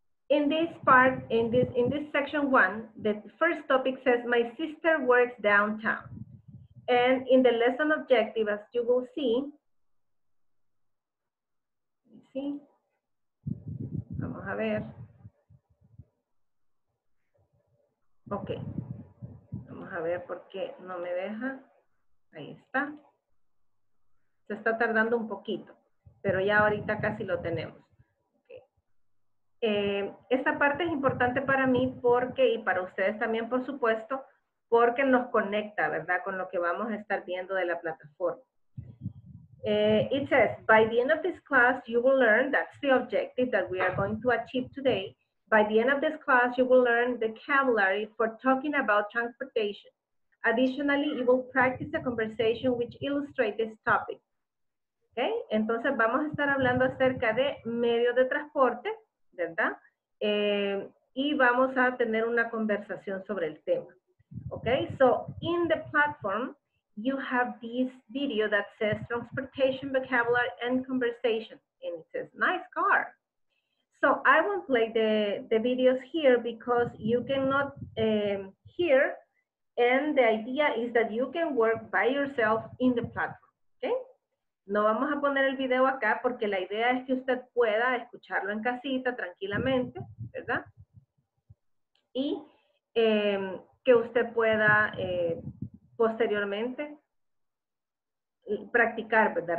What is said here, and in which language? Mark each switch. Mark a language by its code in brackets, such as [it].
[en] In this part, in this section one, the first topic says, my sister works downtown. And in the lesson objective, as you will see, [es] vamos a ver. [en] Okay. [es] Vamos a ver por qué no me deja. Ahí está. Se está tardando un poquito, pero ya ahorita casi lo tenemos. Esta parte es importante para mí porque, y para ustedes también, por supuesto, porque nos conecta, ¿verdad?, con lo que vamos a estar viendo de la plataforma. [en] It says, by the end of this class, you will learn, that's the objective that we are going to achieve today, by the end of this class, you will learn the vocabulary for talking about transportation. Additionally, you will practice a conversation which illustrates this topic. Okay? [es] Entonces, vamos a estar hablando acerca de medios de transporte, ¿verdad? Y vamos a tener una conversación sobre el tema. [en] Okay, so in the platform, you have this video that says transportation vocabulary and conversation. And it says, nice car. So I won't play the videos here because you cannot hear. And the idea is that you can work by yourself in the platform. [es] Okay, no vamos a poner el video acá porque la idea es que usted pueda escucharlo en casita tranquilamente, ¿verdad? Y que usted pueda posteriormente practicar, ¿verdad?